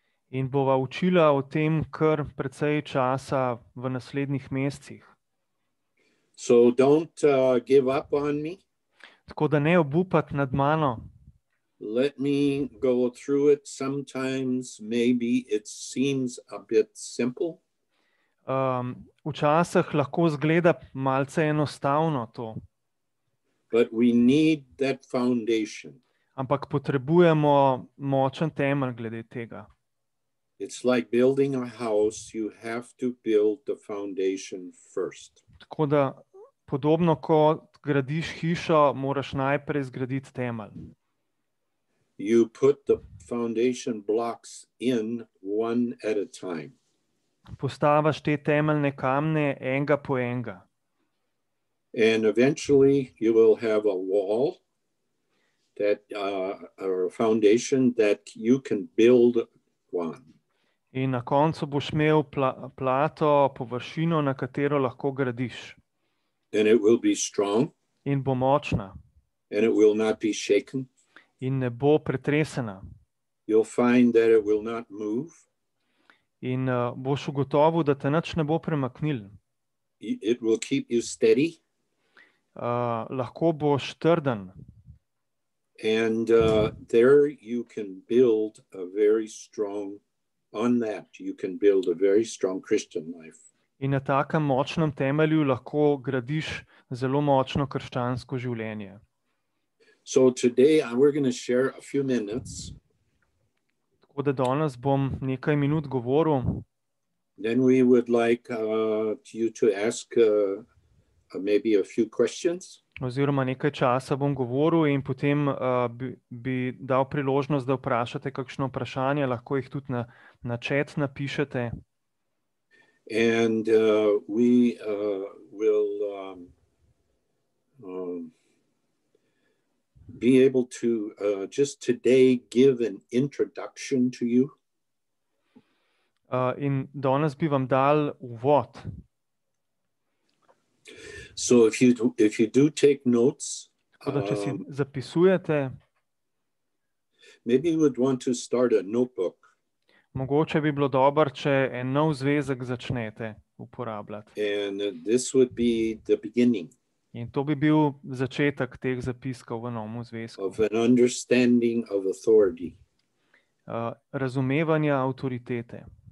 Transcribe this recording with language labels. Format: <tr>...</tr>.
<sl>In bova učila o tem kar precej časa v naslednjih mesecih.</sl> <en>So don't give up on me.</en> <sl>Tako da ne obupat nad mano.</sl> <en>Let me go through it. Sometimes maybe it seems a bit simple.</en> <sl>Včasih lahko zgleda malce enostavno to.</sl> <en>But we need that foundation.</en> <sl>Ampak potrebujemo močen temelj glede tega.</sl> <en>It's like building a house, you have to build the foundation first.</en> <sl>Tako da, podobno kot gradiš hišo, moraš najprej zgraditi temelj.</sl> <en>You put the foundation blocks in one at a time.</en> <sl>Postavaš te temeljne kamne enega po enega.</sl> <en>And eventually you will have a wall that or a foundation that you can build on.</en> <sl>In na koncu boš imel plato, površino, na katero lahko gradiš.</sl> <en>And it will be strong.</en> <sl>In bo močna.</sl> <en>And it will not be shaken.</en> <sl>In ne bo pretresena.</sl> <en>You'll find that it will not move.</en> <sl>In boš ugotovil, da te nič ne bo premaknil.</sl> <en>It will keep you steady.</en> <sl>Lahko boš trden.</sl> <en>And there you can build a very strong on that you can build a very strong Christian life.</en> <sl>In na takem močnem temelju lahko gradiš zelo močno krščansko življenje.</sl> <en>So today we're going to share a few minutes.</en> <sl>Tako da danes bom nekaj minut govoril.</sl> <en>Then we would like you to ask maybe a few questions.</en> <sl>Oziroma nekaj časa bom govoril in potem bi dal priložnost, da vprašate kakšno vprašanje, lahko jih tudi na chat napišete.</sl> <en>And we will be able to just today give an introduction to you.</en> <sl>In danes bi vam dal uvod.</sl> <en>So if you do take notes,</en> <sl>tako da, če si zapisujete,</sl> <en>maybe you would want to start a notebook.</en> <sl>Mogoče bi bilo dobro, če en nov zvezek začnete uporabljati.</sl> <en>And this would be the beginning.</en> <sl>In to bi bil začetek teh zapiskov v novem zvezku.</sl> <en>Of an understanding of authority.</en> <sl>Razumevanja avtoritete.</sl>